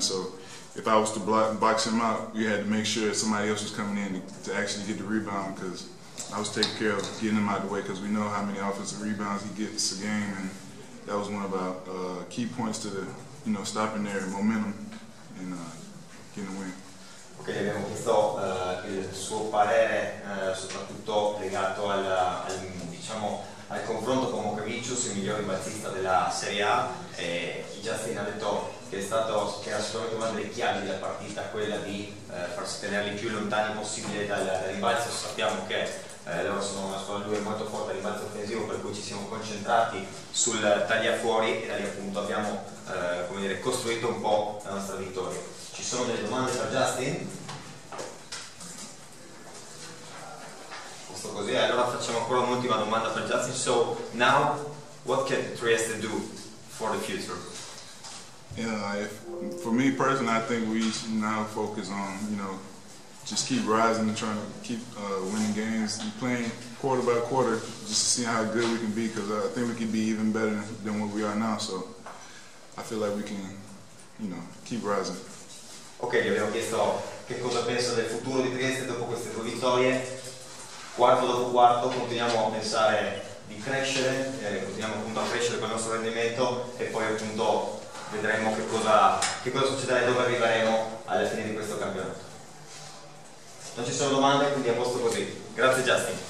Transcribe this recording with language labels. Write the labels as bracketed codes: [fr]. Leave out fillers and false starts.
[en] So if I was to box him out, we had to make sure somebody else was coming in to actually get the rebound, because I was taking care of getting him out of the way, because we know how many offensive rebounds he gets a game, and that was one of our key points to the, you know, stopping their momentum and getting the win. [it] Ok, abbiamo chiesto il suo parere, soprattutto legato al confronto con Mokavicius, il miglior rimbalzista della Serie A, e Justin ha detto che era sicuramente una delle chiavi della partita quella di farsi tenerli più lontani possibile dal rimbalzo. Sappiamo che loro sono una squadra, lui è molto forte a rimbalzo offensivo, per cui ci siamo concentrati sul tagliafuori e da lì, appunto, abbiamo come dire, costruito un po' la nostra vittoria. Ci sono delle domande per Justin? Posto così, allora facciamo ancora un'ultima domanda per Justin. [en] So, now, what can Trieste do for the future? For me personally, I think we should now focus on, you know, just keep rising and trying to keep winning games and playing quarter by quarter just to see how good we can be, because I think we can be even better than what we are now. So I feel like we can, you know, keep rising. [it] Ok, gli abbiamo chiesto che cosa pensa del futuro di Trieste dopo queste due vittorie. Quarto dopo quarto continuiamo a pensare di crescere, continuiamo appunto a crescere con il nostro rendimento e poi appunto vedremo che cosa succederà e dove arriveremo alla fine di questo campionato. Non ci sono domande, quindi a posto così. Grazie Justin.